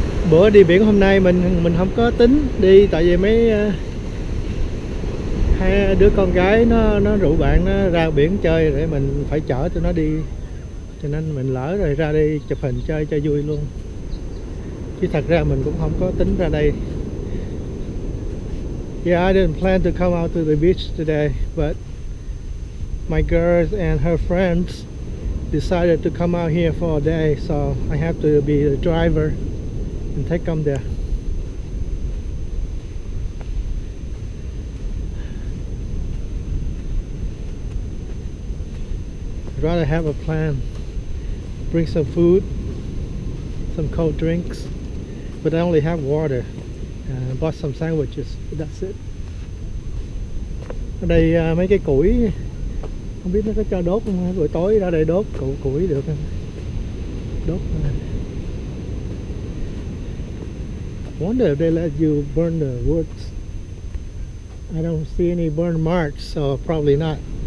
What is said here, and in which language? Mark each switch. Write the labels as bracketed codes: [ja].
[vi] Bữa đi biển hôm nay mình không có tính đi, tại vì mấy hai đứa con gái nó rủ bạn nó ra biển chơi để mình phải chở cho nó đi, cho nên mình lỡ rồi ra đi chụp hình chơi cho vui luôn, chứ thật ra mình cũng không có tính ra đây. [en] Yeah, I didn't plan to come out to the beach today, but my girls and her friends decided to come out here for a day, so I have to be the driver. Take them there. I'd rather have a plan. Bring some food, some cold drinks, but I only have water. Bought some sandwiches. That's it. [vi] Ở đây mấy cái củi, không biết nó có cho đốt không? Buổi tối ra đây đốt củi được không? Đốt. [en] Wonder if they let you burn the woods. I don't see any burn marks, so probably not.